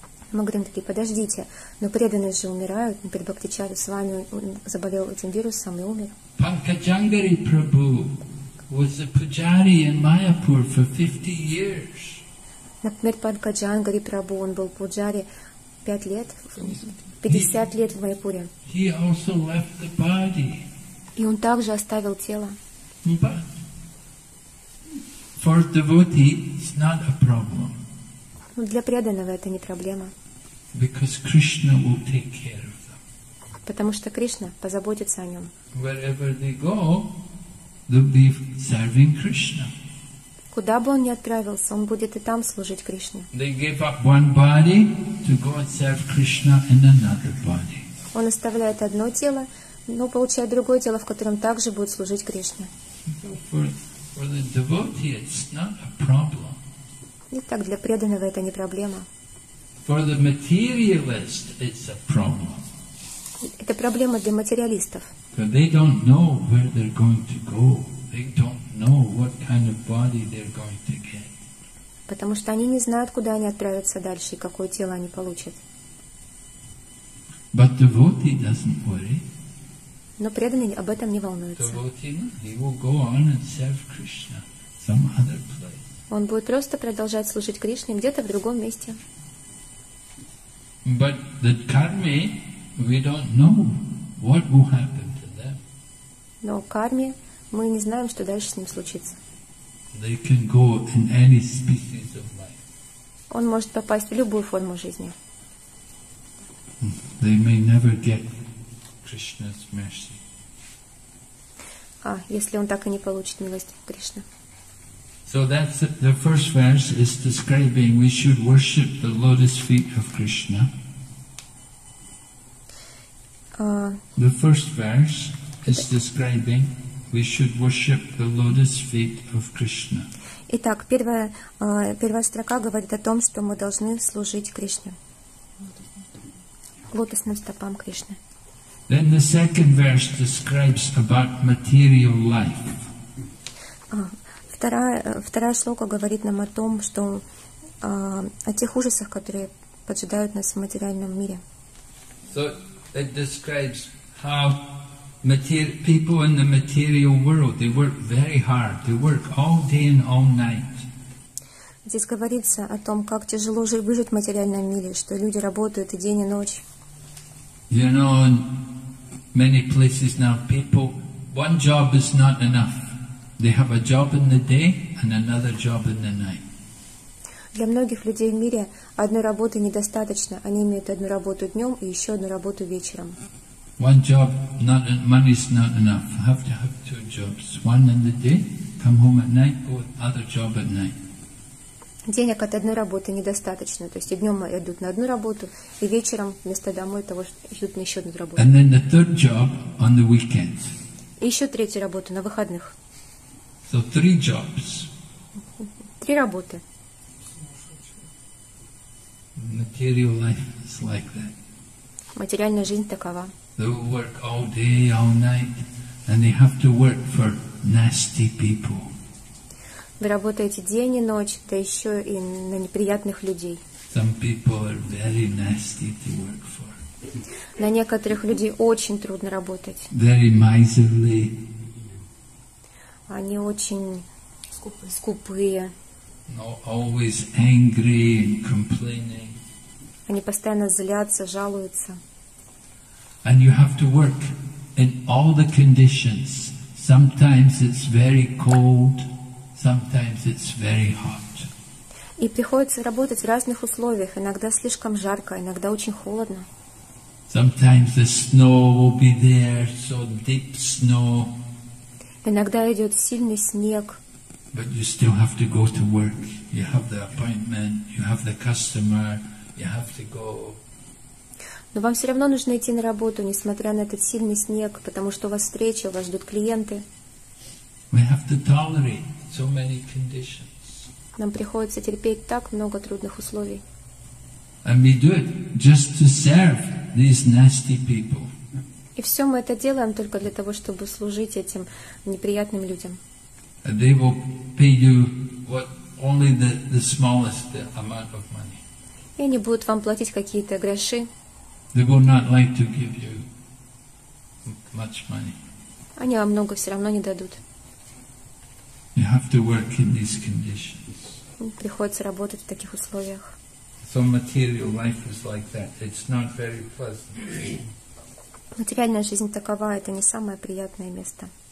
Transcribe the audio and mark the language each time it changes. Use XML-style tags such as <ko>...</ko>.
<ru>Мы говорим такие: "Подождите, но преданные же умирают. Перед Бхакти Чару Свами заболел этим вирусом и умер."</ru> <en>Панкаджангари Прабху was a pujari in Mayapur for 50 years.</en> <ru>Например, Панкаджангари Прабху, он был пуджари 5 лет, 50 лет в Майпуре.</ru> <en>He also left the body.</en> <ru>И он также оставил тело.</ru> <en>But for devotee, it's not a problem.</en> <ru>Но для преданного это не проблема.</ru> <en>Because Krishna will take care of them.</en> <ru>Потому что Кришна позаботится о нем.</ru> <en>Wherever they go, they'll be serving Krishna.</en> <ru>Куда бы он ни отправился, он будет и там служить Кришне.</ru> <en>They give up one body to go and serve Krishna in another body.</en> <ru>Он оставляет одно тело, но получает другое тело, в котором также будет служить Кришна.</ru> <en>So for the devotee, it's not a problem.</en> <ru>Итак, для преданного это не проблема.</ru> <en>For the materialist, it's a problem.</en> <ru>Это проблема для материалистов.</ru> <en>Because they don't know where they're going to go. They don't know what kind of body they're going to get.</en> <ru>Потому что они не знают, куда они отправятся дальше и какое тело они получат.</ru> <en>But devotee doesn't worry.</en> <ru>Но преданный об этом не волнуется.</ru> <en>He will go on and serve Krishna some other place.</en> <ru>Он будет просто продолжать служить Кришне где-то в другом месте.</ru> <en>But the karmi, we don't know what will happen to them.</en> <ru>Но карми, мы не знаем, что дальше с ним случится.</ru> <en>They can go in any species of life.</en> <ru>Он может попасть в любую форму жизни.</ru> <en>They may never get Krishna's mercy.</en> <ru>А если он так и не получит милость Кришны?</ru> <en>So that's the first verse is describing we should worship the lotus feet of Krishna. The first verse is describing we should worship the lotus feet of Krishna.</en> <ru>Итак, первая строка говорит о том, что мы должны служить Кришне. Лотосным стопам Кришны.</ru> <en>Then the second verse describes about material life.</en> <ru>Вторая слога говорит нам о том, что о тех ужасах, которые поджидают нас в материальном мире.</ru> <en>So it describes how people in the material world, they work very hard, they work all day and all night.</en> <ru>Здесь говорится о том, как тяжело выжить в материальном мире, что люди работают и день, и ночь.</ru> <en>You know, in many places now, people, one job is not enough. They have a job in the day and another job in the night.</en> <ru>Для многих людей в мире одной работы недостаточно. Они имеют одну работу днем и еще одну работу вечером.</ru> <en>One job, not money is not enough. I have to have two jobs. One in the day, come home at night, go other job at night.</en> <ru>Денег от одной работы недостаточно. То есть и днем идут на одну работу, и вечером вместо домой того идут на еще одну работу.</ru> <en>And then the third job on the weekend.</en> <ru>И еще третью работу на выходных.</ru> <en>So three jobs.</en> <ru>Три работы.</ru> <en>Material life is like that.</en> <ru>Материальная жизнь такова.</ru> <en>They work all day, all night, and they have to work for nasty people.</en> <ru>Вы работаете день и ночь, да еще и на неприятных людей.</ru> <en>Some people are very nasty to work for.</en> <ru>На некоторых людей очень трудно работать.</ru> <en>Very miserly.</en> <ru>Они очень скупые.</ru> <en>No, always angry and complaining.</en> <ru>Они постоянно злятся, жалуются.</ru> <en>And you have to work in all the conditions. Sometimes it's very cold. Sometimes it's very hot.</en> <ru>И приходится работать в разных условиях. Иногда слишком жарко, иногда очень холодно.</ru> <en>Sometimes the snow will be there, so deep snow.</en> <ru>Иногда идет сильный снег.</ru> <en>But you still have to go to work. You have the appointment, you have the customer, you have to go.</en> <ru>Но вам все равно нужно идти на работу, несмотря на этот сильный снег, потому что у вас встреча, у вас ждут клиенты.</ru> <en>We have to tolerate so many conditions.</en> <ru>Нам приходится терпеть так много трудных условий.</ru> <en>And we do it just to serve these nasty people.</en> <ru>И все мы это делаем только для того, чтобы служить этим неприятным людям.</ru> <en>And they will pay you what only the smallest amount of money.</en> <ru>И они будут вам платить какие-то гроши.</ru> <en>They will not like to give you much money.</en> <ru>Они вам много все равно не дадут.</ru> <en>You have to work in these conditions.</en> <ru>Приходится работать в таких условиях.</ru> <en>So material life is like that. It's not very pleasant.</en> <ru>Материальная жизнь такова, это не самое приятное место.</ru>